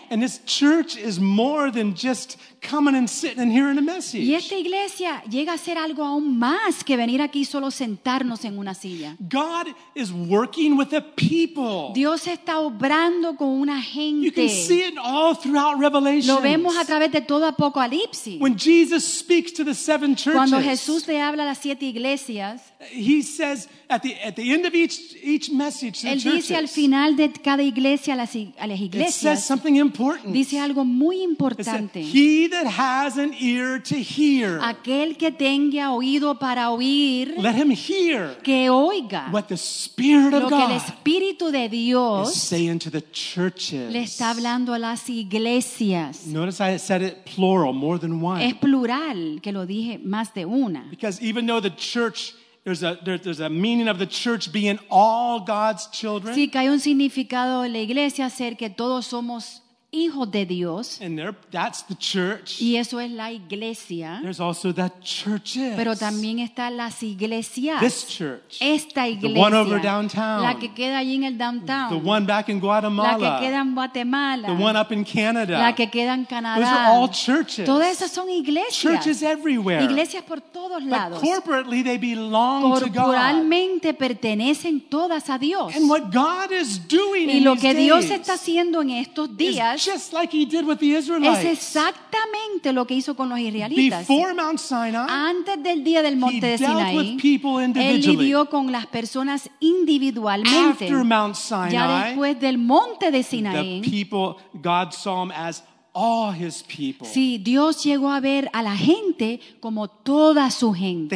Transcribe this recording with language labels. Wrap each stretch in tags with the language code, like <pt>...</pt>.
<en>And this church is more than just coming and sitting and hearing a message.</en> <es>Y esta iglesia llega a ser algo aún más que venir aquí solo sentarnos en una silla.</es> <en>God is working with a people.</en> <es>Dios está obrando con una gente.</es> <en>You can see it all throughout Revelation.</en> <es>Lo vemos a través de todo Apocalipsis.</es> <en>When Jesus speaks to the seven churches,</en> <es>cuando Jesús le habla a las siete iglesias,</es> <en>he says at the end of each message,</en> <es>él dice al final de cada iglesia a las iglesias.</es> <en>It says something important.</en> <es>Dice algo muy importante.</es> <en>He that has an ear to hear,</en> <es>aquel que tenga oído para oír,</es> <en>let him hear</en> <es>que oiga</es> <en>what the Spirit of</en> <es>lo que el Espíritu de Dios</es> <en>is saying to the churches.</en> <es>Le está hablando a las iglesias.</es> <en>Notice I said it plural, more than one.</en> <es>Es plural que lo dije más de una.</es> <en>Because even though the church There's a meaning of the church being all God's children.</en> <es>Sí, que hay un significado en la iglesia ser que todos somos hijos de Dios.</es> <en>And that's the church.</en> <es>Y eso es la iglesia.</es> <en>There's also the churches.</en> <es>Pero también están las iglesias.</es> <en>This church.</en> <es>Esta iglesia.</es> <en>The one over downtown.</en> <es>La que queda allí en el downtown.</es> <en>The one back in Guatemala.</en> <es>La que queda en Guatemala.</es> <en>The one up in Canada.</en> <es>La que queda en Canadá.</es> <en>Those are all churches.</en> <es>Todas esas son iglesias.</es> <en>Churches everywhere.</en> <es>Iglesias por todos lados.</es> <en>But corporately they belong to God.</en> <es>Corporalmente pertenecen todas a Dios.</es> <en>And what God is doing</en> <es>Y lo que Dios está haciendo en estos días.</es> <en>Just like he did with the Israelites.</en> <es>Es exactamente lo que hizo con los israelitas.</es> <en>Before Mount Sinai,</en> <es>antes del día del monte de Sinaí,</es> <en>he dealt with people individually.</en> <es>Él lidió con las personas individualmente.</es> <en>After Mount Sinai,</en> <es>ya después del monte de Sinaí,</es> <en>the people, God saw them as all his people.</en> <es>Sí, Dios llegó a ver a la gente como toda su gente.</es>